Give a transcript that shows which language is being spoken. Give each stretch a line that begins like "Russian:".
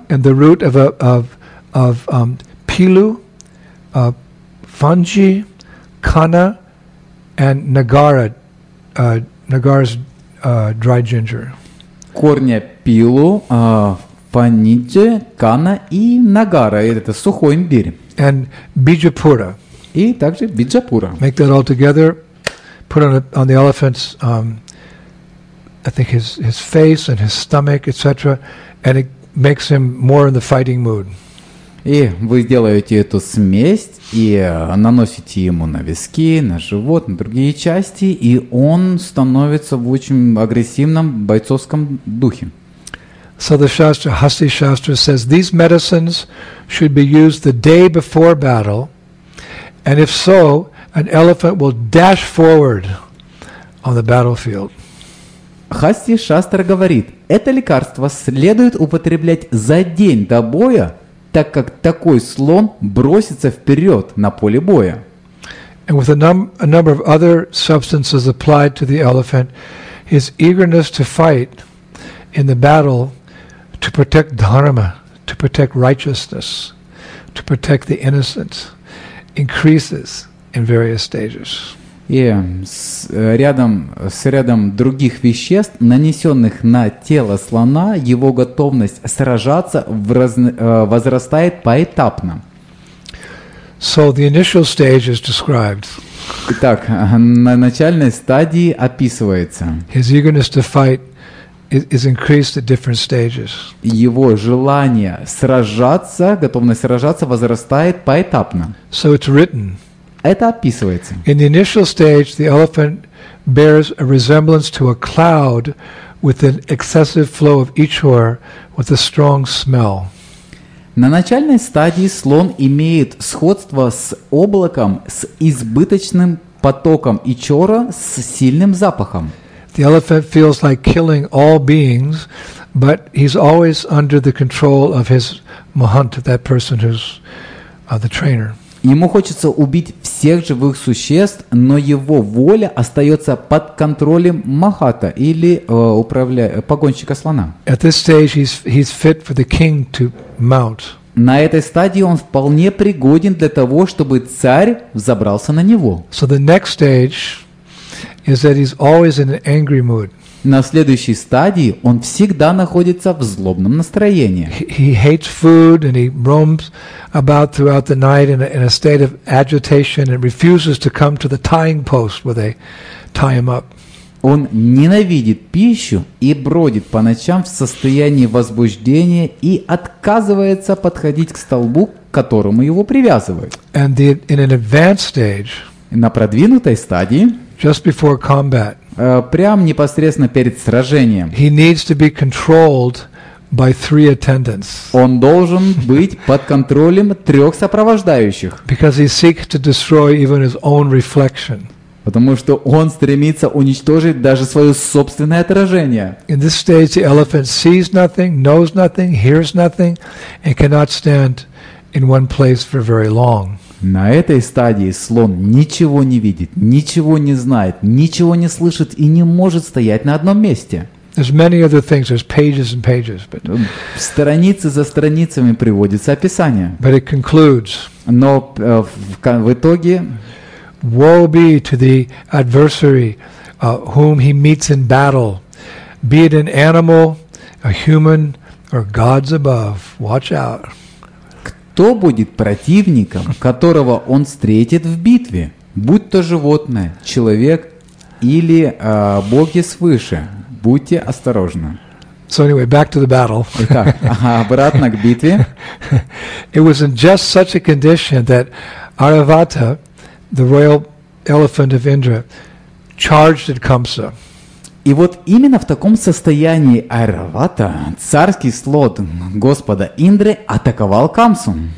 English: And the root of pilu, fungi, kana, and nagara, nagara's dried ginger.
Russian: Корни пилу, фаниджи, кана и нагара. Это сухой имбирь.
English: And bijapura.
Russian: И также биджапура.
English: Make that all together, put on the elephant's I think his face and his stomach, etc., and it makes him more in the fighting mood.
Russian: И вы делаете эту смесь и наносите ему на виски, на живот, на другие части, и он становится в очень агрессивном бойцовском духе.
English: So the Shastra, Hasti Shastra says these medicines should be used the day before battle, and if so, an elephant will dash forward on the battlefield.
Russian: Хасти Шастра говорит, это лекарство следует употреблять за день до боя, так как такой слон бросится вперед на поле боя.
English: And with a number of other substances applied to the elephant, his eagerness to fight in the battle to protect dharma, to protect righteousness, to protect the innocent increases in various stages.
Russian: И с рядом других веществ, нанесенных на тело слона, его готовность сражаться возрастает поэтапно.
English: So the initial stage is described.
Russian: Итак, на начальной стадии описывается.
English: His eagerness to fight is increased at different stages.
Russian: Его желание сражаться, готовность сражаться возрастает поэтапно.
English: So it's written.
Russian: Это описывается.
English: In the initial stage, the elephant bears a resemblance to a cloud with an excessive flow of ichor with a strong smell.
Russian: На начальной стадии слон имеет сходство с облаком с избыточным потоком ичора с сильным запахом.
English: The elephant feels like killing all beings, but he's always under the control of his mahant, that person who's the trainer.
Russian: Ему хочется убить всех живых существ, но его воля остается под контролем махата или погонщика слона.
English: At this stage he's fit for the king to mount.
Russian: На этой стадии он вполне пригоден для того, чтобы царь взобрался на него.
English: So the next stage is that he's always in an angry mood.
Russian: На следующей стадии он всегда находится в злобном настроении.
English: He hates food and he roams about throughout the night in a state of agitation and refuses to come to the tying post where they tie him up.
Russian: Он ненавидит пищу и бродит по ночам в состоянии возбуждения и отказывается подходить к столбу, к которому его привязывают.
English: And in an advanced stage,
Russian: на продвинутой стадии,
English: just before combat.
Russian: Прям непосредственно перед сражением.
English: He needs to be controlled by three attendants.
Russian: Он должен быть под контролем трех сопровождающих.
English: Because he seeks to destroy even his own reflection.
Russian: Потому что он стремится уничтожить даже свое собственное отражение.
English: In this stage, the elephant sees nothing, knows nothing, hears nothing, and cannot stand in one place for very long.
Russian: На этой стадии слон ничего не видит, ничего не знает, ничего не слышит и не может стоять на одном месте.
English: There's many other things. There's pages and pages, but.
Russian: Страницы за страницами приводится описание.
English: But it concludes.
Russian: Но в итоге.
English: Woe be to the adversary, whom he meets in battle, be it an animal, a human, or gods above. Watch out.
Russian: Кто будет противником, которого он встретит в битве, будь то животное, человек или боги свыше, будьте осторожны.
English: So anyway, back to the battle.
Russian: Итак, обратно к битве.
English: It was in just such a condition that Aravata, the royal elephant of Indra, charged at Kamsa.
Russian: И вот именно в таком состоянии Айравата, царский слон господа Индры, атаковал Камсу.